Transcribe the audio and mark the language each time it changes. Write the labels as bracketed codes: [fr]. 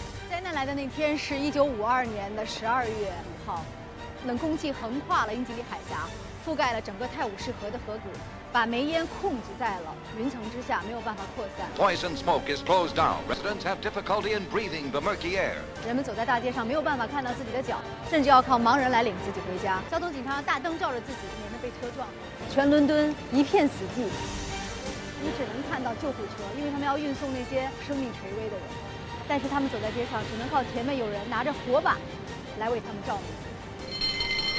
[zh] 灾难来的那天是1952年12月5号，冷空气横跨了英吉利海峡，覆盖了整个泰晤士河的河谷，把煤烟控制在了云层之下，没有办法扩散。 [en] Poison smoke is closed down. Residents have difficulty in breathing the murky air. [zh] 人们走在大街上，没有办法看到自己的脚，甚至要靠盲人来领自己回家。交通警察大灯照着自己，免得被车撞。全伦敦一片死寂，你只能看到救护车，因为他们要运送那些生命垂危的人。但是他们走在街上，只能靠前面有人拿着火把来为他们照明。